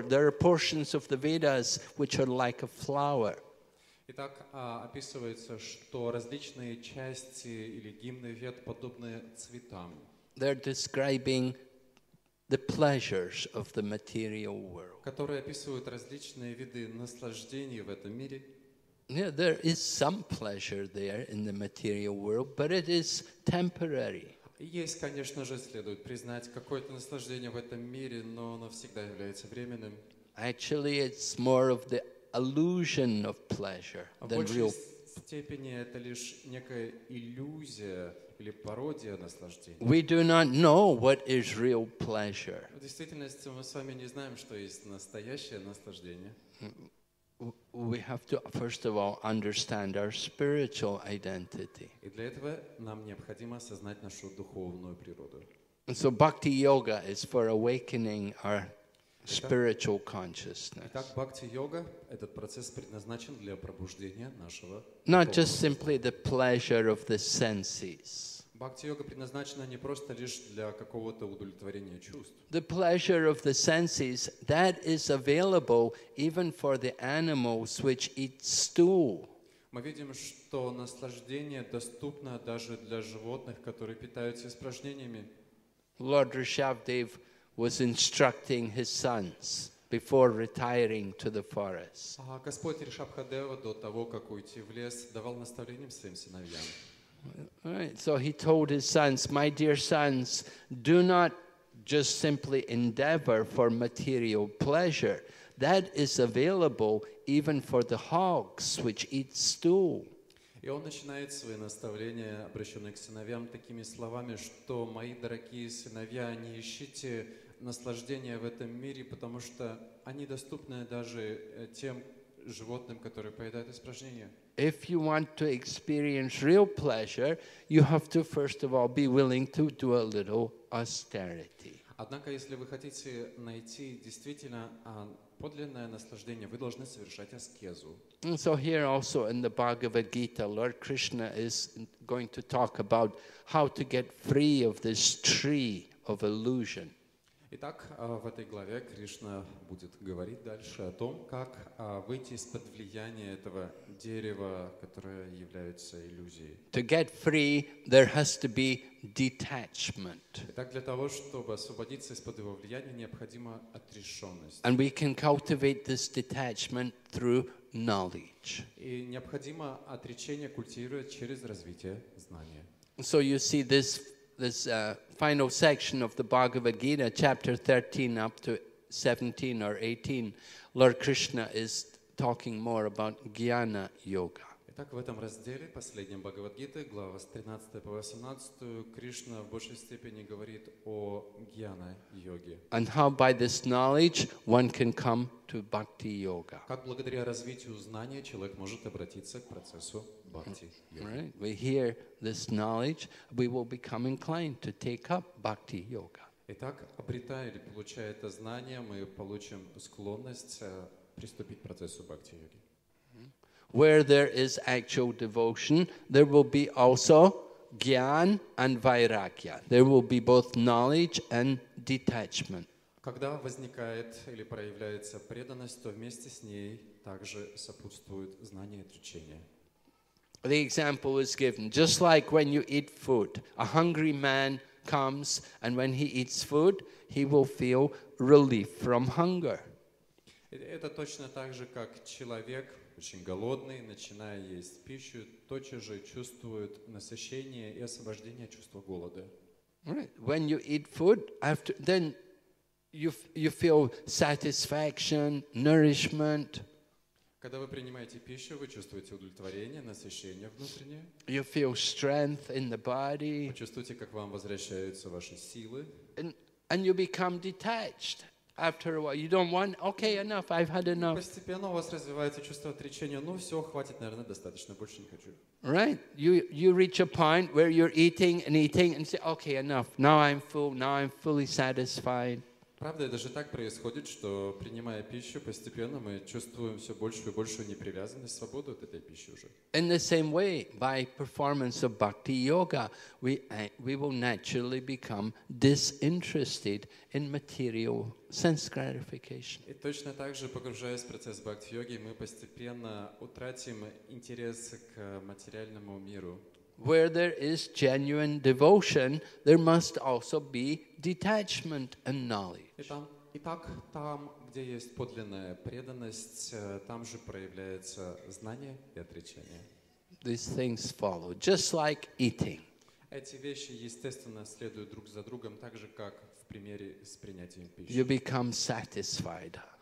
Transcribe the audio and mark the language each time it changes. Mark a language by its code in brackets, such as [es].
[en] There are portions of the Vedas which are like a flower. [ru] Итак, описывается, что различные части или гимны Вед подобны цветам. [en] They're describing the pleasures of the material world. [ru] Которые описывают различные виды наслаждений в этом мире. [en] Yeah, there is some pleasure there in the material world, but it is temporary. [ru] Есть, конечно же, следует признать какое-то наслаждение в этом мире, но оно всегда является временным. [en] Actually, it's more of the illusion of pleasure than real. [ru] В большей степени это лишь некая иллюзия или пародия наслаждения. [en] We do not know what is real pleasure. [ru] В действительности мы с вами не знаем, что есть настоящее наслаждение. [en] We have to, first of all, understand our spiritual identity. [ru] И для этого нам необходимо осознать нашу духовную природу. [en] So bhakti yoga is for awakening our spiritual consciousness. [ru] Итак, бхакти йога этот процесс предназначен для пробуждения нашего. [en] Not just simply the pleasure of the senses. [ru] Бхакти йога предназначена не просто лишь для какого-то удовлетворения чувств. [en] The pleasure of the senses that is available even for the animals which eat stool. [ru] Мы видим, что наслаждение доступно даже для животных, которые питаются испражнениями. [en] Lord Rishabhdev was instructing his sons before retiring to the forest. [ru] Господь Ришабхадева до того, как уйти в лес, давал наставления своим сыновьям. [en] Right. So he told his sons, my dear sons, do not just simply endeavor for material pleasure. That is available even for the hogs which eat stool. [ru] И он начинает свои наставления, обращенные к сыновьям, такими словами, что мои дорогие сыновья, не ищите наслаждения в этом мире, потому что они доступны даже тем животным, которые поедают испражнения. [en] If you want to experience real pleasure, you have to first of all be willing to do a little austerity. [ru] Однако, если вы хотите найти действительно подлинное наслаждение, вы должны совершать аскезу. [en] And so here also in the Bhagavad Gita, Lord Krishna is going to talk about how to get free of this tree of illusion. [ru] Итак, в этой главе Кришна будет говорить дальше о том, как выйти из-под влияния этого дерева, которое является иллюзией. [en] To get free, there has to be detachment. [ru] Итак, для того, чтобы освободиться из-под его влияния, необходима отрешенность. [en] And we can cultivate this detachment through knowledge. [ru] И необходимо отречение культивировать через развитие знания. [en] So you see this. This final section of the Bhagavad Gita, chapter 13 up to 17 or 18, Lord Krishna is talking more about Jnana Yoga. [ru] Итак, в этом разделе, последнем Бхагавад Гиты, глава с 13 по 18, Кришна в большей степени говорит о Jnana Йоге. [en] And how by this knowledge one can come to Bhakti Yoga. [ru] Как благодаря развитию знания человек может обратиться к процессу [en] Right. We hear this knowledge, we will become inclined to take up bhakti yoga. [ru] Итак, обретая или получая это знание, мы получим склонность приступить к процессу бхакти йоги. [en] Where there is actual devotion, there will be also gyan and vairagya. There will be both knowledge and detachment. [ru] Когда возникает или проявляется преданность, то вместе с ней также сопутствует знание и отречение. [en] The example is given, just like when you eat food, a hungry man comes, and when he eats food, he will feel relief from hunger. [ru] Это точно так же, как человек очень голодный, начиная есть пищу, тотчас же чувствует насыщение и освобождение от чувства голода. [en] Right. When you eat food, then you feel satisfaction, nourishment. [ru] Когда вы принимаете пищу, вы чувствуете удовлетворение, насыщение внутреннее. [en] You feel strength in the body. [ru] Вы чувствуете, как вам возвращаются ваши силы. [en] And you become detached after a while. You don't want, okay, enough, I've had enough. [ru] Постепенно у вас развивается чувство отречения. Ну все, хватит, наверное, достаточно, больше не хочу. [en] Right? You reach a point where you're eating and say, okay, enough. Now I'm full, now I'm fully satisfied. [ru] Правда, это же так происходит, что принимая пищу, постепенно мы чувствуем все большую и большую непривязанность, свободу от этой пищи уже. [en] In the same way, by performance of bhakti yoga, we will naturally become disinterested in material sense gratification. [ru] И точно так же, погружаясь в процесс бхакти-йоги, мы постепенно утратим интерес к материальному миру. [en] Where there is genuine devotion, there must also be detachment and knowledge. [ru] Итак, там, где есть подлинная преданность, там же проявляется знание и отречение. [en] These things follow, just like eating. [ru] Эти вещи, естественно, следуют друг за другом, так же, как в примере с принятием пищи. [en] You become satisfied.